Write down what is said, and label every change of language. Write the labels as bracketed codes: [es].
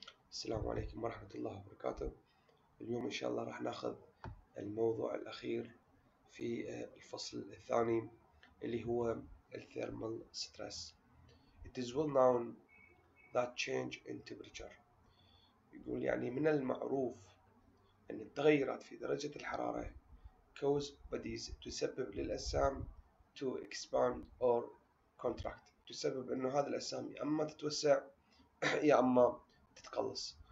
[ar] السلام عليكم ورحمة الله وبركاته. اليوم إن شاء الله راح ناخذ الموضوع الأخير في الفصل الثاني اللي هو الثيرمال ستريس. [en] It is well known that change in temperature. [ar] يقول يعني من المعروف أن التغيرات في درجة الحرارة [en] cause bodies [ar] تسبب للأجسام [en] to expand or contract. [ar] تسبب انه هذه الاجسام يا اما تتوسع يا اما تتقلص.